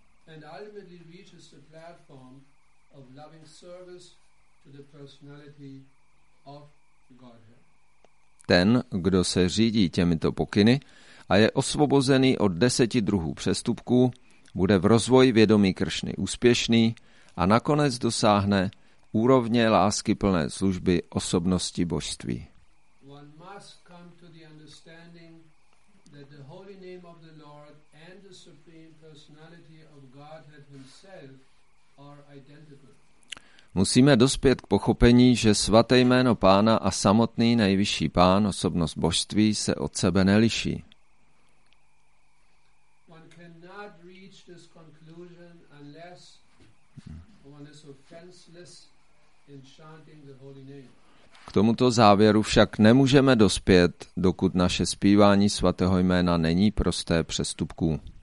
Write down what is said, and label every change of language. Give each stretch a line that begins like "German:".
English: And ultimately reaches the platform of loving service to the personality of Godhead.
Czech: Ten, kdo se řídí těmito pokyny a je osvobozený od 10 druhů přestupků, bude v rozvoji vědomí Kršny úspěšný a nakonec dosáhne úrovně lásky plné služby osobnosti božství.
English: One must come to the understanding that the holy name of the Lord and the supreme personality of Godhead himself are identical.
Czech: Musíme dospět k pochopení, že svaté jméno Pána a samotný nejvyšší Pán, osobnost božství, se od sebe neliší.
English: One cannot reach this conclusion unless one is offenseless in chanting the holy name.
Czech: K tomuto závěru však nemůžeme dospět, dokud naše zpívání svatého jména není prosté přestupků.